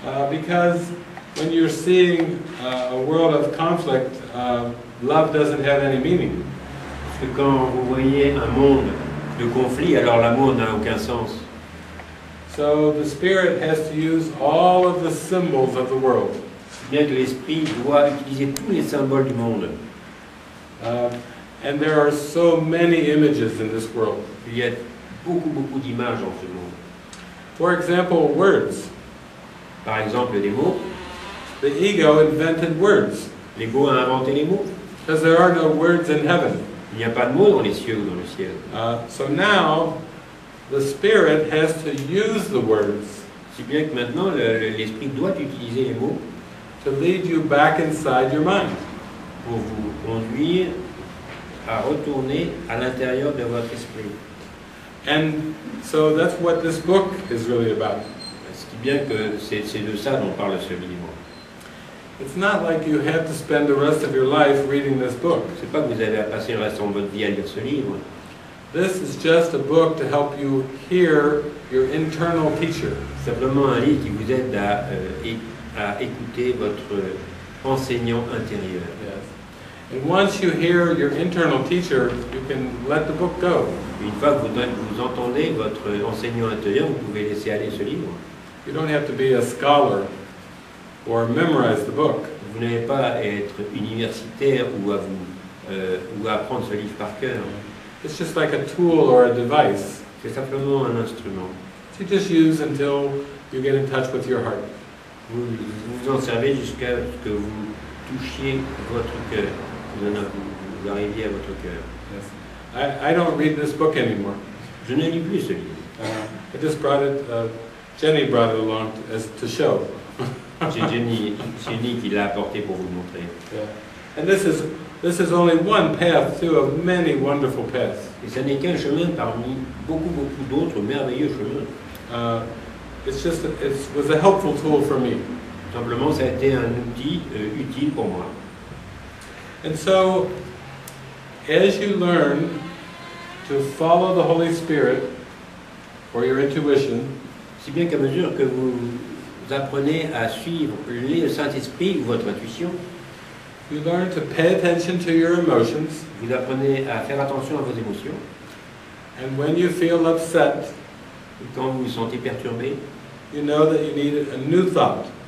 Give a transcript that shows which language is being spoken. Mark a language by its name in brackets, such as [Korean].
[English] Because when you're seeing a world of conflict, love doesn't have any meaning. [French] Parce que quand vous voyez un monde de conflit, alors l'amour n'a aucun sens. [English] So the spirit has to use all of the symbols of the world. [French] Bien que l'esprit doit utiliser tous les symboles du monde. [English] And there are so many images in this world. [French] Il y a beaucoup beaucoup d'images dans ce monde. [English] For example, words. [French] Par exemple, des mots. [English] The ego invented words. [French] L'ego a inventé les mots. [English] Because there are no words in heaven. [French] Il n'y a pas de mots dans les cieux ou dans le ciel. [English] So now, the spirit has to use the words. [French] Si bien que maintenant l'esprit doit utiliser les mots. [English] To lead you back inside your mind. [French] Pour vous conduire à retourner à l'intérieur de votre esprit. [English] And so that's what this book is really about. [French] Si bien que c'est de ça dont parle ce livre. [English] It's not like you have to spend the rest of your life reading this book. [French] C'est pas que vous avez à passer le reste de votre vie à lire ce livre. [English] This is just a book to help you hear your internal teacher. [French] Simplement un livre qui vous aide à écouter votre enseignant intérieur. [English] Yes. And once you hear your internal teacher, you can let the book go. [French] Une fois que vous entendez votre enseignant intérieur, vous pouvez laisser aller ce livre. [English] You don't have to be a scholar. Or memorize the book. [French] Vous n'avez pas à être universitaire ou à vous ou à apprendre ce livre par cœur. [English] It's just like a tool or a device. [French] C'est simplement un instrument. [English] You just use until you get in touch with your heart. [French] Vous en servez jusqu'à ce que vous touchiez votre cœur. Vous arriviez à votre cœur. [English] Yes. I don't read this book anymore. [French] Je ne lis plus ce livre. [English] I just brought it. Jenny brought it along to show. [French] C'est Jenny qui l'a apporté pour vous montrer. [English] Yeah. And this is only one path through of many wonderful paths. [French] Et ce n'est qu'un chemin parmi beaucoup beaucoup d'autres merveilleux chemins. [English] It was a helpful tool for me. [French] Simplement, ça a été un outil utile pour moi. [English] And so, as you learn to follow the Holy Spirit or your intuition, [French] si bien qu'à mesure que vous apprenez à suivre le Saint-Esprit ou votre intuition. [English] You learn to pay attention to your emotions. [French] Vous apprenez à faire attention à vos émotions. [English] And when you feel upset, [French] quand vous vous sentez perturbé, [English] you know that you need a new thought.